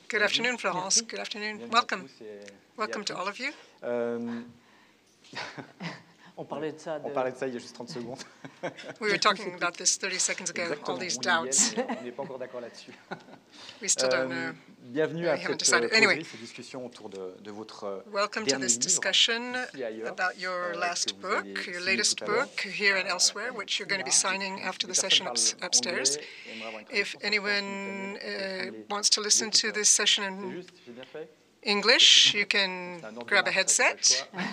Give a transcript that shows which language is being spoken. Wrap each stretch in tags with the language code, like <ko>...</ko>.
<en>Good afternoon, Florence. Good afternoon. Welcome. Welcome to all of you.</en> <fr>On parlait de ça il y a juste 30 secondes.</fr> <en>We were talking about this 30 seconds ago.</en> <fr>Exactement.</fr> <en>All these doubts.</en> <fr>On n'est pas encore d'accord là-dessus.</fr> <en>We still don't know.</en> <fr>Bienvenue à cette conversation,</fr> <en>anyway,</en> <fr>cette discussion autour de votre</fr> <en>Welcome to this</en> <fr>livre,</fr> <en>discussion about your last book, your latest book, here and elsewhere, which you're going to be signing after the session upstairs. If anyone wants to listen to this session in English, you can grab a headset.</en>